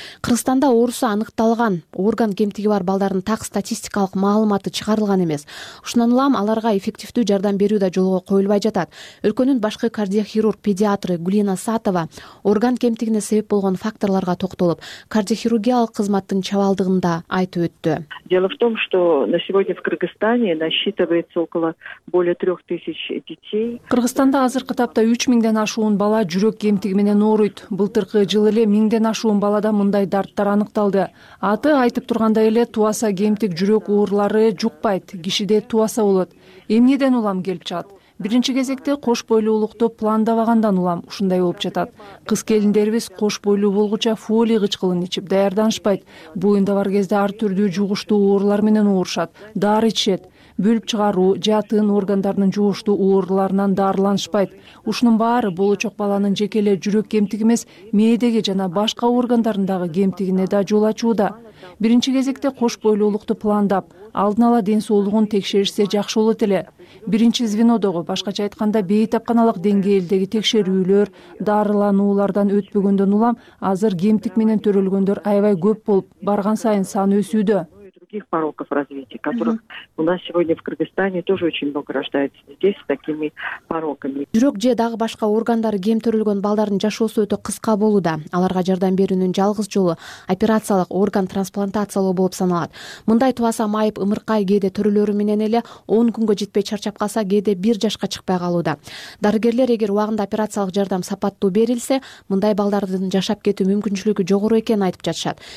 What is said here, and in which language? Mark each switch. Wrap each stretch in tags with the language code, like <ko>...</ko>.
<ky>Кыргызстанда оорусу аныкталган орган кемтиги бар балдардын так статистикалык маалыматы чыгарылган эмес. Ушундан улам аларга эффективдүү жардам берүү да жолго коюлбай жатат. Өлкөнүн башкы кардиохирург педиатры Гулина Сатова орган кемтигине себеп болгон факторлорго токтолуп, кардиохирургиялык кызматтын чабалдыгын да айтып өттү.</ky> <ru>Дело в том, что на сегодня в Кыргызстане насчитывается около более 3000 детей.</ru> <ky>Кыргызстанда азыркы тапта 3000ден ашуун бала жүрөк кемтиги менен ооруйт. Былтыркы жыл эле 1000ден ашуун балада мындай дарттар аныкталды. Аты айтып тургандай эле тубаса кемтик жүрөк оорулары жукпайт, кишиде тубаса болот. Эмнеден улам келип жатат? Биринчи кезекте кош бойлуулукту пландабагандан улам ушундай болуп жатат. Кыз келиндерибиз кош бойлуу болгуча фоли кычкылын ичип даярданышпайт. Боюнда бар кезде ар түрдүү жугуштуу оорулар менен оорушат, дары ичишет. Бөлүп чыгаруу, жатын органдарынын жугуштуу ооруларынан дарыланышпайт. Ушунун баары болочок баланын жеке эле жүрөк кемтиги эмес, мээдеги жана башка органдарындагы кемтигине да жол ачууда. Биринчи кезекте кош бойлуулукту пландап, алдын ала ден соолугун текшеришсе жакшы болот эле. Биринчи звенодогу, башкача айтканда бейтапканалык деңгээлдеги текшерүүлөр, дарылануулардан өтпөгөндөн улам азыр кемтик менен төрөлгөндөр аябай көп болуп, барган сайын саны өсүүдө.</ky> <ru>Других пороков развития, которых у нас сегодня в Кыргызстане тоже очень много рождается детей с такими пороками.</ru> <ky>Жүрөк же дагы башка органдары кемтирилген балдардын жашоосу өтө кыска болууда. Аларга жардам берүүнүн жалгыз жолу операциялык орган трансплантациялоо болуп саналат. Мындай тубаса майып, ымыркай кээде төрөлөрү менен эле 10 күнгө жетпей чарчап калса, кээде 1 жашка чыкпай калууда. Дарыгерлер эгер убагында операциялык жардам сапаттуу берилсе, мындай балдардын жашап кетүү мүмкүнчүлүгү жогору экенин айтып жатышат.</ky>